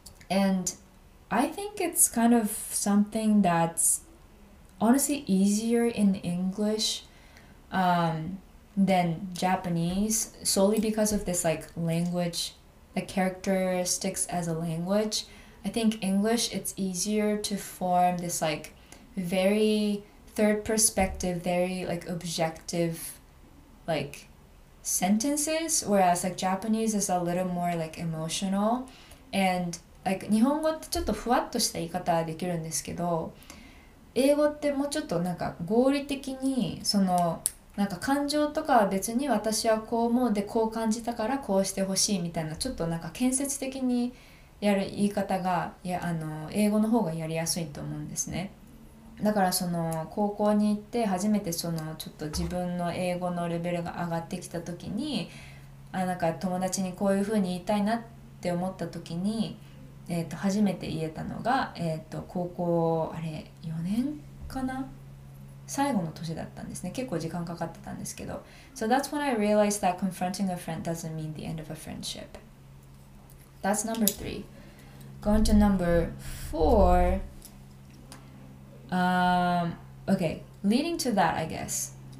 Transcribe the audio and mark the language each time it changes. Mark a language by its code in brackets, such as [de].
[en] And I think it's kind of something that's honestly easier in English than Japanese, solely because of this like language, the characteristics as a language. I think English, it's easier to form this like very third perspective, very like objective like sentences, whereas like Japanese is a little more like emotional. And like [ja] 日本語ってちょっとふわっとした言い方はできるんですけど、 英語ってもうちょっとなんか合理的に、その、なんか感情とかは別に私はこう思うでこう感じたからこうしてほしいみたいな、ちょっとなんか建設的にやる言い方が、いや、あの英語の方がやりやすいと思うんですね。だからその高校に行って初めてそのちょっと自分の英語のレベルが上がってきた時に、あ、なんか友達にこういう風に言いたいなって思った時に、初めて言えたのが、高校あれ4年かな、最後の年だったんですね。結構時間かかってたんですけど。 [en] So that's when I realized that confronting a friend doesn't mean the end of a friendship. That's number three. Going to number four. Okay, leading to that, I guess.